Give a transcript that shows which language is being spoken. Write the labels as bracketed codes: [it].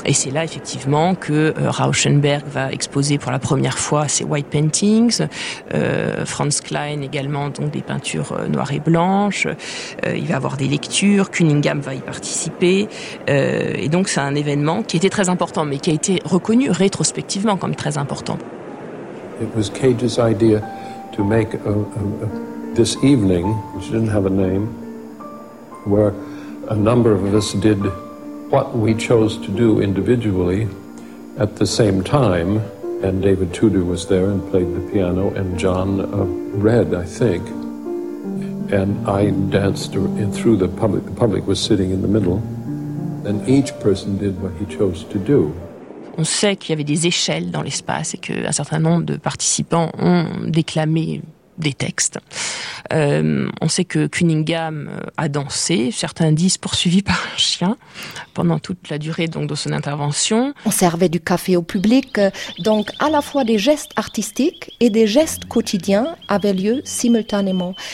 [fr] Et c'est là, effectivement, que Rauschenberg va exposer pour la première fois ses white paintings. Franz Klein également, donc des peintures noires et blanches. Il va avoir des lectures. Cunningham va y participer. Et donc, c'est un événement qui était très important, mais qui a été reconnu rétrospectivement comme très important. [en] It was Cage's idea to make this evening, which didn't have a name, where a number of us did what we chose to do individually at the same time, and David Tudor was there and played the piano, and John read, I think, and I danced through the public was sitting in the middle, and each person did what he chose to do. [fr] On sait qu'il y avait des échelles dans l'espace et qu'un certain nombre de participants ont déclamé des textes. On sait que Cunningham a dansé, certains disent poursuivi par un chien, pendant toute la durée donc, de son intervention. On servait du café au public, donc à la fois des gestes artistiques et des gestes quotidiens avaient lieu simultanément.